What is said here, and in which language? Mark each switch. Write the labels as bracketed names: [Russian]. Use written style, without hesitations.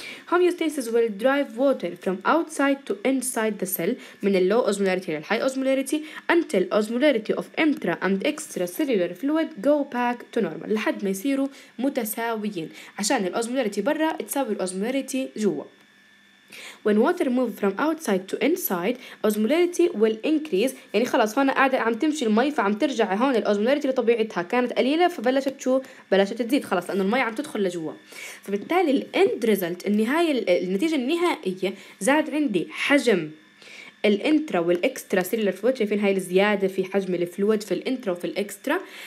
[English] homeostasis will drive water from outside to inside the cell, من اللو osmolarity للهاي osmolarity, until osmolarity of intra and extracellular fluid go back to normal, [Arabic] لحد ما يصيروا متساويين، عشان الأوزمولاريتي برا تساوي الأوزمولاريتي جوا. [English] When water moves from outside to inside, osmolarity will increase. [Arabic] يعني خلاص هون قاعدة عم تمشي المي، فعم ترجع هون الأوزمولاريتي لطبيعتها، كانت قليلة فبلشت شو؟ بلشت تزيد، خلاص لأنه المي عم تدخل لجوا. فبالتالي ال [English] end result، [Arabic] النهاية، النتيجة النهائية، زاد عندي حجم الانترا والاكسترا سيلولار فلويد، شايفين هاي الزياده في حجم الفلويد في الانترا وفي الاكسترا.